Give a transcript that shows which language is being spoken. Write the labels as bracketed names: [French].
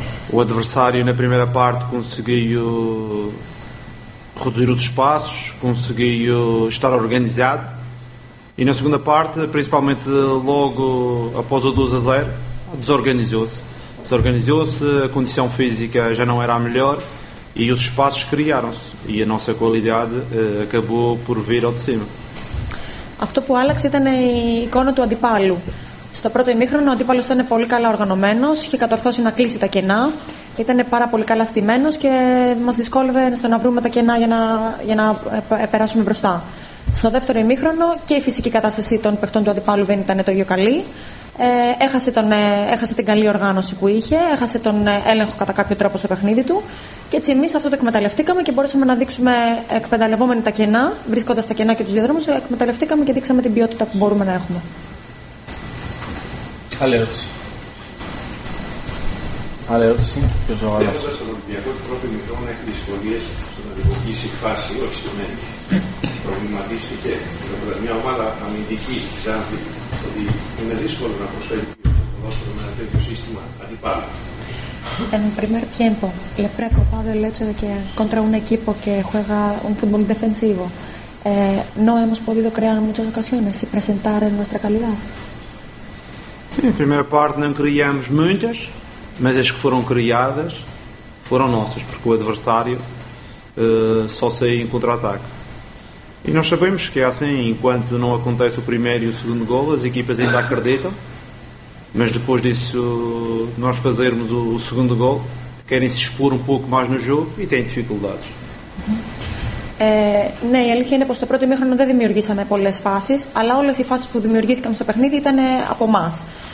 [Portuguese] O adversário na primeira parte conseguiu reduzir os espaços, conseguiu estar organizado. E na segunda parte, principalmente logo após o 2-0, desorganizou-se. Desorganizou-se, a condição física já não era a melhor e os espaços criaram-se. E a nossa qualidade acabou por vir ao de cima. [Greek] Αυτό που άλλαξε ήταν η εικόνα του αντιπάλου. Στο πρώτο ημίχρονο ο αντίπαλος ήταν πολύ καλά οργανωμένος, είχε κατορθώσει να κλείσει τα κενά, ήταν πάρα πολύ καλά στημένος και μας δυσκόλευε στο να βρούμε τα κενά για να περάσουμε μπροστά. Στο δεύτερο ημίχρονο και η φυσική κατάσταση των παιχτών του αντιπάλου δεν ήταν το ίδιο καλή. Έχασε την καλή οργάνωση που είχε, έχασε τον έλεγχο κατά κάποιο τρόπο στο παιχνίδι του. Και έτσι εμείς αυτό το εκμεταλλευτήκαμε και μπορούσαμε να δείξουμε, εκμεταλλευόμενοι τα κενά, βρίσκοντας τα κενά και τους διαδρόμους, εκμεταλλευτήκαμε και δείξαμε την ποιότητα που μπορούμε να έχουμε. Άλλη ερώτηση. Άλλη ερώτηση. Ποιος ο Άλλας. Στον Ολυμπιακό του πρώτου ημιχρόνου έχει δυσκολίες στο να δημιουργήσει φάση, όχι σημαίνει. Προβληματίστηκε. Μια ομάδα αμυντική, ξάνθη, ότι είναι δύσκολο να προσφέρει το ποδόσφαιρο με ένα τέτοιο σύστημα αντιπάλου. [Spanish] En el primer tiempo, le preocupado el hecho de que contra un equipo que juega un fútbol defensivo, no hemos podido crear muchas ocasiones y presentar nuestra calidad. [Portuguese] Sí, en la primera parte no criamos muchas, mas as que foram criadas foram nossas, porque o adversário só saiu em contra-ataque. E nós sabemos que é assim, enquanto não acontece o primeiro e o segundo gol, as equipas ainda acreditam. Mas depois disso, nós fazermos o segundo gol, querem se expor um pouco mais no jogo e têm dificuldades. [Greek] Ναι, η αλήθεια είναι πως το πρώτο ημίχρονο δεν δημιουργήσαμε πολλές φάσεις, αλλά όλες οι φάσεις που δημιουργήθηκαν στο παιχνίδι ήταν από εμάς.